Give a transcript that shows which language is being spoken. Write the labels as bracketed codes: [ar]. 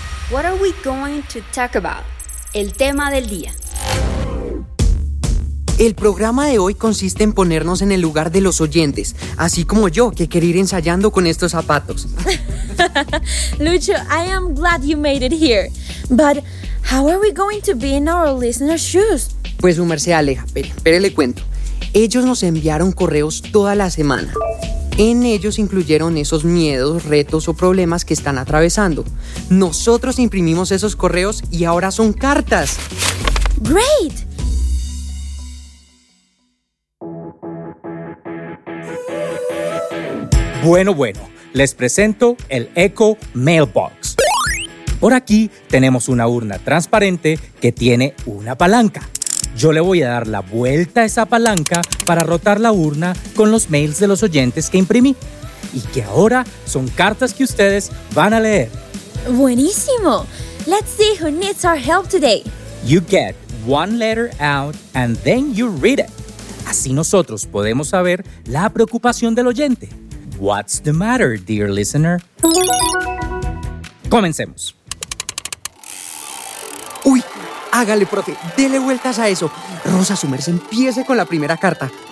[en] What are we going to talk about? El tema del día. [es] El programa de hoy consiste en ponernos en el lugar de los oyentes, así como yo, que quería ir ensayando con estos zapatos. [en] Lucho, I am glad you made it here. But how are we going to be in our listeners' shoes? [es] Pues su merced, Aleja, espere, le cuento. Ellos nos enviaron correos toda la semana. En ellos incluyeron esos miedos, retos o problemas que están atravesando. Nosotros imprimimos esos correos y ahora son cartas. [en] ¡Great! [es] Bueno, bueno, les presento el Echo Mailbox. Por aquí tenemos una urna transparente que tiene una palanca. Yo le voy a dar la vuelta a esa palanca para rotar la urna con los mails de los oyentes que imprimí y que ahora son cartas que ustedes van a leer. [en] ¡Buenísimo! Let's see who needs our help today. You get one letter out and then you read it. [es] Así nosotros podemos saber la preocupación del oyente. [en] What's the matter, dear listener? Comencemos. [es] ¡Uy! Hágale, profe, dele vueltas a eso. Rosa, su merced, empiece con la primera carta.